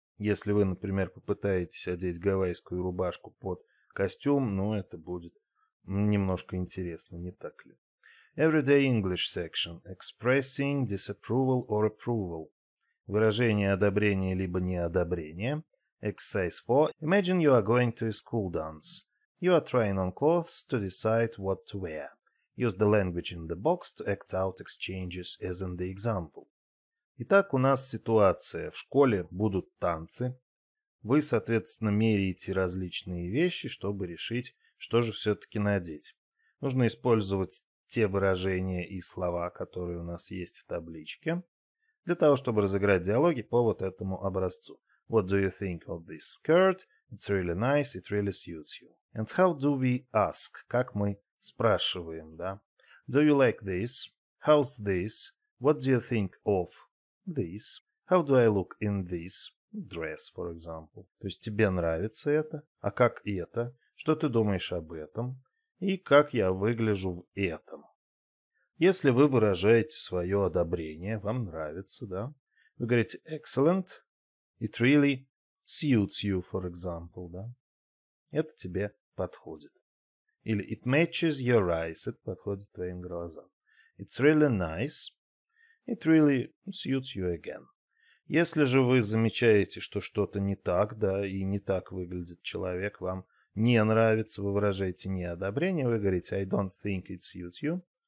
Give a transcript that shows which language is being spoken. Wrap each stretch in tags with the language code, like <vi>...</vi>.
<ru>Если вы, например, попытаетесь одеть гавайскую рубашку под костюм, ну, это будет немножко интересно, не так ли?</ru> <en>Everyday English section. Expressing disapproval or approval.</en> <ru>Выражение одобрения либо неодобрения.</ru> <en>Exercise 4. Imagine you are going to a school dance. You are trying on clothes to decide what to wear. Use the language in the box to act out exchanges as in the example.</en> <ru>Итак, у нас ситуация. В школе будут танцы. Вы, соответственно, меряете различные вещи, чтобы решить, что же все-таки надеть. Нужно использовать те выражения и слова, которые у нас есть в табличке, для того, чтобы разыграть диалоги по вот этому образцу.</ru> <en>What do you think of this skirt? It's really nice, it really suits you. And how do we ask?</en> <ru>Как мы спрашиваем, да?</ru> <en>Do you like this? How's this? What do you think of this? How do I look in this dress, for example?</en> <ru>То есть тебе нравится это? А как это? Что ты думаешь об этом? И как я выгляжу в этом? Если вы выражаете свое одобрение, вам нравится, да? Вы говорите</ru> <en>excellent, it really suits you, for example,</en> <ru>да? Это тебе подходит. Или</ru> <en>it matches your eyes,</en> <ru>это подходит твоим глазам.</ru> <en>It's really nice, it really suits you again.</en> <ru>Если же вы замечаете, что что-то не так, да, и не так выглядит человек, вам не нравится, вы выражаете неодобрение, вы говорите</ru> <en>I don't think it suits you.</en>